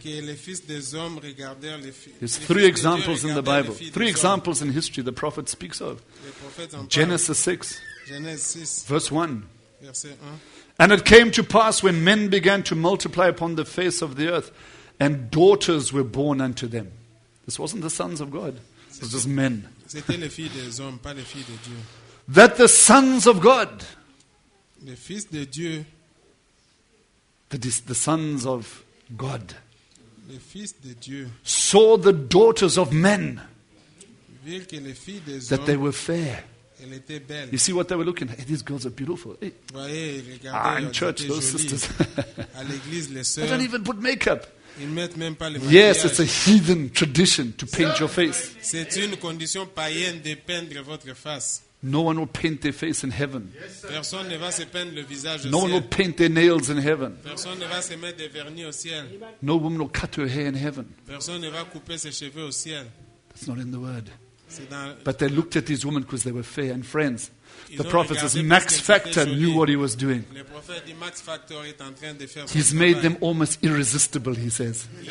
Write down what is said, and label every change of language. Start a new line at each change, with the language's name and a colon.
English: There's three examples in the Bible. Three examples in history the prophet speaks of. Genesis 6. Verse 1. And it came to pass when men began to multiply upon the face of the earth and daughters were born unto them. This wasn't the sons of God. It was just men.
French: C'était les filles des hommes, pas les filles de Dieu.
English: That the sons of God,
French: les fils de Dieu,
English: the sons of God,
French: les fils de Dieu,
English: saw the daughters of men,
French: virent que les filles des hommes,
English: that they were fair.
French: Elles étaient belles.
English: You see what they were looking at? Hey, these girls are beautiful. Hey.
French: Voyez, regardez,
English: ah, in church, those jolies. Sisters.
French: À l'église, les sœurs,
English: they don't even put makeup.
French: Ils mettent même pas le maquillage.
English: Yes, it's a heathen tradition to paint your face.
French: C'est une condition païenne de peindre votre face.
English: No one will paint their face in heaven.
French: Personne ne va se peindre le visage.
English: No one will paint their nails in heaven.
French: Personne ne va se mettre des vernis au ciel.
English: No woman will cut her hair in heaven.
French: Personne ne va couper ses cheveux au ciel.
English: That's not in the word. But they looked at these women because they were fair and friends. The prophet says Max Factor knew what he was doing. He's made them almost irresistible, he says.